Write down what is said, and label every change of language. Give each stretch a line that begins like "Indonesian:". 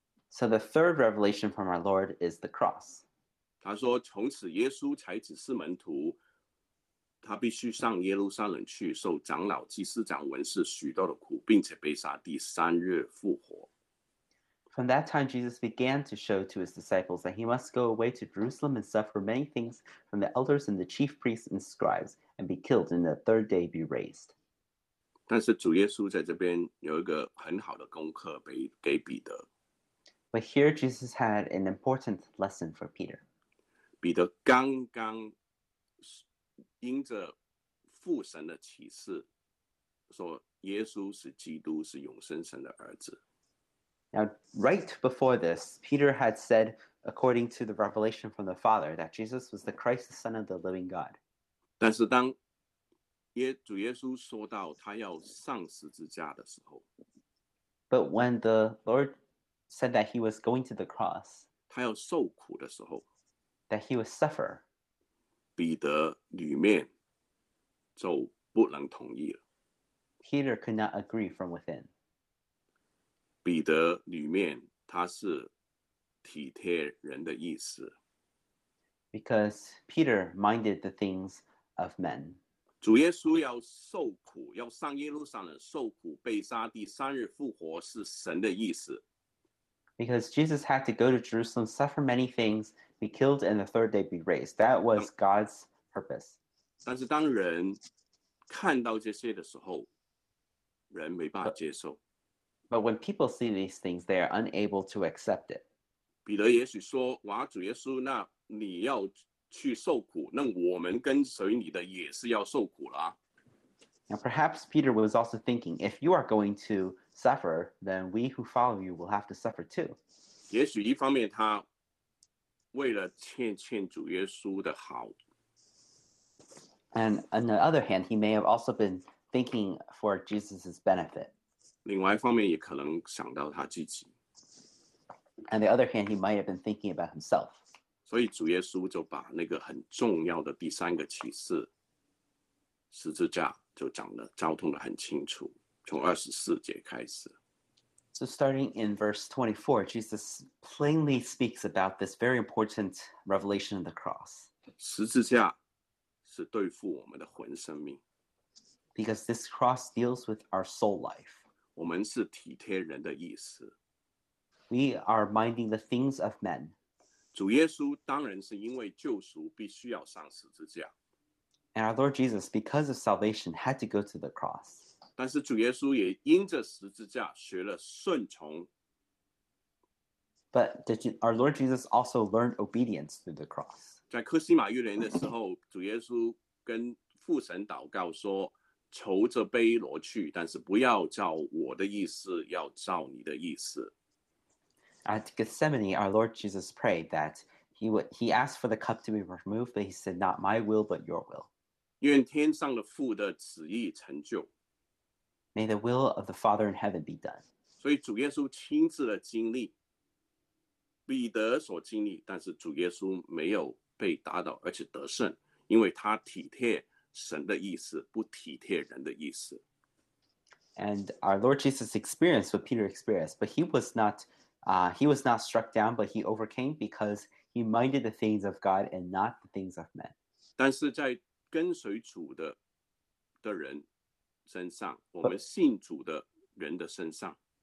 English: So the third revelation from our Lord is the cross.
Chinese: 他说：“从此，耶稣才指示门徒，他必须上耶路撒冷去受长老、祭司长、文士许多的苦，并且被杀，第三日复活。
English: From that time, Jesus began to show to his disciples that he must go away to Jerusalem and suffer many things from the elders and the chief priests and scribes and be killed and the third day be raised.
Chinese: 但是主耶稣在这边有一个很好的功课给彼得。
English: But here Jesus had an important lesson for Peter.
Chinese: 彼得刚刚因着父神的启示说耶稣是基督，是永生神的儿子。
English: Now, right before this, Peter had said, according to the revelation from the Father, that Jesus was the Christ, the Son of the living God.
Chinese: 但是当主耶稣说到他要上十字架的时候，
English: But when the Lord said that he was going to the cross,
Chinese: 他要受苦的时候，
English: that he would suffer,
Chinese: 彼得里面就不能同意了。
English: Peter could not agree from within.
Chinese: 彼得里面他是体贴人的意思。
English: Because Peter minded the things of men.
Chinese: 主耶稣要受苦，要上耶路撒冷受苦被杀，第三日复活是神的意思。
English: Because Jesus had to go to Jerusalem, suffer many things, be killed, and the third day be raised. That was God's purpose.
Chinese: 但是当人看到这些的时候，人没办法接受。
English: But when people see these things, they are unable to accept it.
Chinese: 彼得也许说，哇，主耶稣，那你要去受苦，那我们跟随你的也是要受苦了。
English: Now perhaps Peter was also thinking, if you are going to suffer, then we who follow you will have to suffer too.
Chinese: 也许一方面他为了欠主耶稣的好。
English: And on the other hand, he may have also been thinking for Jesus' benefit.
Chinese: 另外一方面也可能想到他自己。
English: On the other hand, he might have been thinking about himself.
Chinese: 所以主耶稣就把那个很重要的第三个启示，十字架，就讲得交通得很清楚，从24节开始。
English: So starting in verse 24, Jesus plainly speaks about this very important revelation of the cross.
Chinese: 十字架是对付我们的魂生命。
English: Because this cross deals with our soul life.
Chinese: 我们是体贴人的意思。
English: We are minding the things of men.
Chinese: 主耶稣当然是因为救赎必须要上十字架。
English: And our Lord Jesus, because of salvation, had to go to the cross.
Chinese: 但是主耶稣也因着十字架学了顺从。
English: But our Lord Jesus also learned obedience through the cross.
Chinese: 在克西马玉莲的时候，主耶稣跟父神祷告说，求这杯挪去，但是不要照我的意思，要照你的意思。
English: At Gethsemane, our Lord Jesus prayed that he asked for the cup to be removed, but he said, "Not my will, but your will."
Chinese: 愿天上的父的旨意成就。
English: May the will of the Father in heaven be done.
Chinese: 所以主耶稣亲自的经历，彼得所经历，但是主耶稣没有被打倒，而且得胜，因为他体贴。神的意思，不体贴人的意思。
English: And our Lord Jesus experienced what Peter experienced, but he was not struck down, but he overcame because he minded the things of God and not the things of men.
Chinese: 但是在跟随主的人身上，我们信主的人的身上。